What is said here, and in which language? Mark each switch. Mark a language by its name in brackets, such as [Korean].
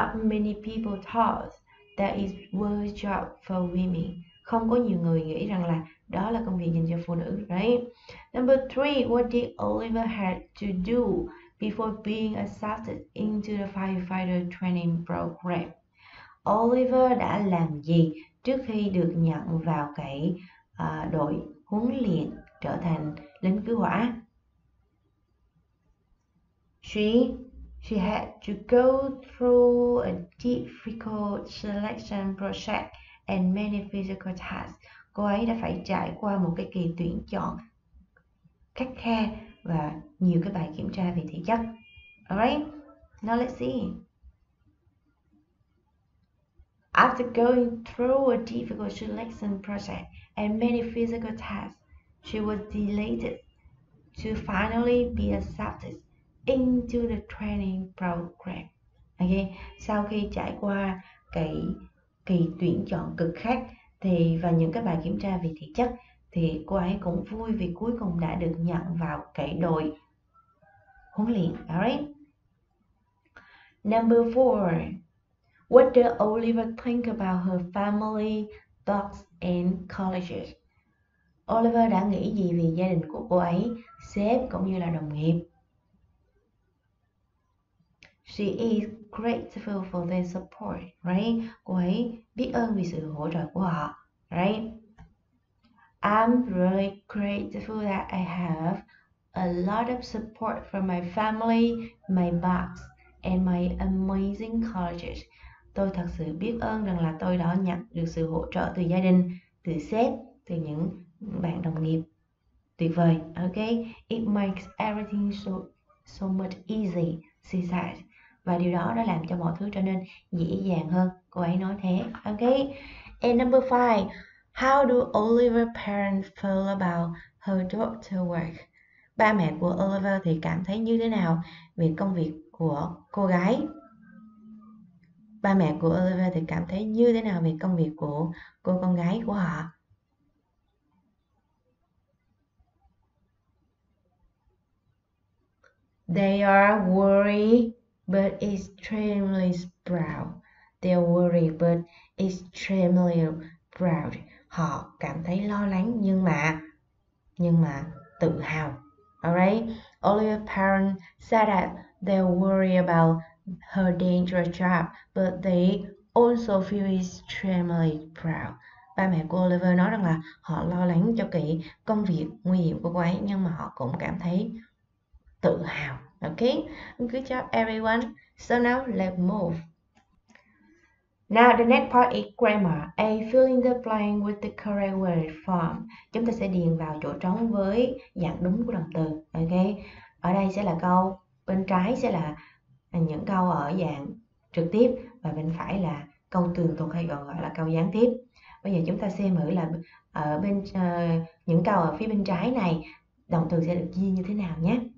[English] Not many people thought that it was a job for women. [Vietnamese] Không có nhiều người nghĩ rằng là đó là công việc dành cho phụ nữ, right? [English] Number 3, what did Oliver had to do before being accepted into the firefighter training program? [Vietnamese] Oliver đã làm gì trước khi được nhận vào cái đội huấn luyện trở thành lính cứu hỏa? [English] She had to go through a difficult selection process and many physical tests. [Vietnamese] Cô ấy đã phải trải qua một cái kỳ tuyển chọn khắt khe và nhiều cái bài kiểm tra về thể chất. [English] Alright, now let's see. After going through a difficult selection process and many physical tests, she was delighted to finally be accepted into the training program. [Vietnamese] Okay, sau khi trải qua cái kỳ tuyển chọn cực khắc thì và những cái bài kiểm tra về thể chất thì cô ấy cũng vui vì cuối cùng đã được nhận vào cái đội huấn luyện. [English] Alright. Number 4. What did Oliver think about her family, dogs and colleges? [Vietnamese] Oliver đã nghĩ gì về gia đình của cô ấy, sếp cũng như là đồng nghiệp? [English] She is grateful for their support, right? [Vietnamese] Cô ấy biết ơn vì sự hỗ trợ của họ, right? [English] I'm really grateful that I have a lot of support from my family, my boss, and my amazing colleagues. [Vietnamese] Tôi thật sự biết ơn rằng là tôi đã nhận được sự hỗ trợ từ gia đình, từ sếp, từ những bạn đồng nghiệp. Tuyệt vời. [English] Okay, it makes everything so much easy, she said. [Vietnamese] Và điều đó đã làm cho mọi thứ trở nên dễ dàng hơn. Cô ấy nói thế. Okay. [English] And number five, how do Oliver's parents feel about her daughter's work? [Vietnamese] Ba mẹ của Oliver thì cảm thấy như thế nào về công việc của cô gái? Ba mẹ của Oliver thì cảm thấy như thế nào về công việc của cô con gái của họ? [English] They are worried but extremely proud. They're worried but extremely proud. [Vietnamese] Họ cảm thấy lo lắng nhưng mà tự hào. [English] Alright, Olivia's parents said that they're worried about her dangerous job, but they also feel extremely proud. [Vietnamese] Ba mẹ của Oliver nói rằng là họ lo lắng cho cái công việc nguy hiểm của cô ấy, nhưng mà họ cũng cảm thấy tự hào. [English] Okay, good job everyone. So now let's move. Now the next part is grammar. A, fill in the blank with the correct word form. [Vietnamese] Chúng ta sẽ điền vào chỗ trống với dạng đúng của động từ. Okay. Ở đây sẽ là câu, bên trái sẽ là những câu ở dạng trực tiếp và bên phải là câu tường thuật hay còn gọi là câu gián tiếp. Bây giờ chúng ta xem thử là ở bên những câu ở phía bên trái này động từ sẽ được ghi như thế nào nhé.